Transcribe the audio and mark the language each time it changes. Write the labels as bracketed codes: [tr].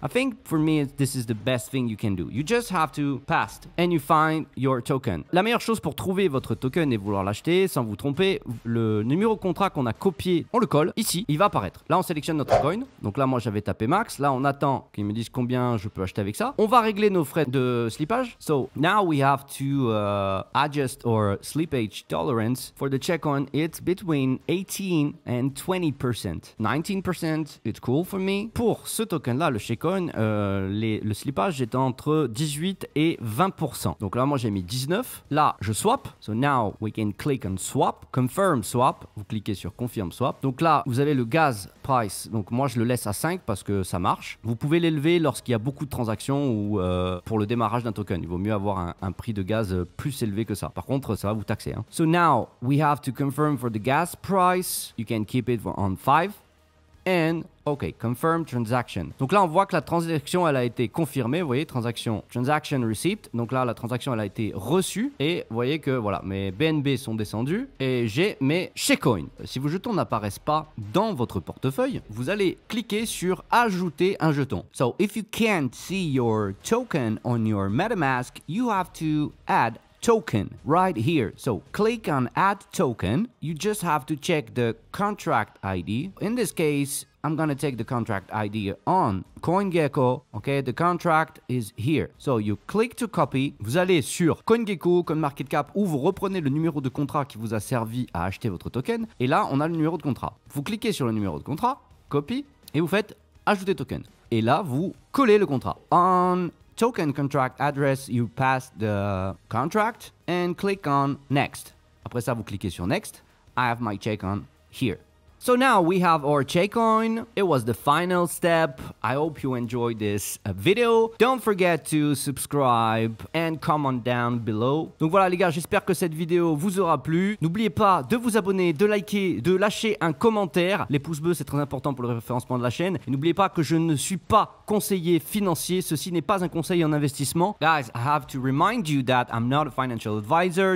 [en] I think for me, this is the best thing you can do. You just have to paste and you find your token. [fr] La meilleure chose pour trouver votre token et vouloir l'acheter sans vous tromper, le numéro de contrat qu'on a copié, on le colle ici. Il va apparaître. Là, on sélectionne notre coin. Donc là, moi, j'avais tapé max. Là, on attend qu'ils me disent combien je peux acheter avec ça. On va régler nos frais de slippage. [en] So now we have to adjust our slippage tolerance for the Checoin. It's between 18 and 20%. 19%, it's cool for me. [fr] Pour ce token-là, le Checoin, le slippage est entre 18 et 20%. Donc là, moi, j'ai mis 19. Là, je swap. [en] So now we can click on swap. Confirm swap. [fr] Vous cliquez sur confirm swap. Donc là, vous avez le gaz price, donc moi je le laisse à 5 parce que ça marche. Vous pouvez l'élever lorsqu'il y a beaucoup de transactions ou pour le démarrage d'un token. Il vaut mieux avoir un prix de gaz plus élevé que ça. Par contre, ça va vous taxer. Hein. [en] So now we have to confirm for the gas price. You can keep it on 5. And OK, confirm transaction. [fr] Donc là, on voit que la transaction, elle a été confirmée. Vous voyez, transaction receipt. Donc là, la transaction, elle a été reçue. Et vous voyez que, voilà, mes BNB sont descendus. Et j'ai mes Checoin. Si vos jetons n'apparaissent pas dans votre portefeuille, vous allez cliquer sur ajouter un jeton. [en] So, if you can't see your token on your MetaMask, you have to add token right here. So click on add token. You just have to check the contract ID. In this case, I'm gonna take the contract ID on CoinGecko. Okay, the contract is here. So you click to copy. [fr] Vous allez sur CoinGecko, CoinMarketCap, où vous reprenez le numéro de contrat qui vous a servi à acheter votre token. Et là, on a le numéro de contrat. Vous cliquez sur le numéro de contrat, copy, et vous faites ajouter token. Et là, vous collez le contrat. [en] On token contract address, you pass the contract and click on next. [fr] Après ça, vous cliquez sur next. [en] I have my check on here. So now we have our Checoin. It was the final step. I hope you enjoyed this video. Don't forget to subscribe and comment down below. [fr] Donc voilà les gars, j'espère que cette vidéo vous aura plu. N'oubliez pas de vous abonner, de liker, de lâcher un commentaire. Les pouces bleus, c'est très important pour le référencement de la chaîne. Et n'oubliez pas que je ne suis pas conseiller financier. Ceci n'est pas un conseil en investissement. [en] Guys, I have to remind you that I'm not a financial advisor.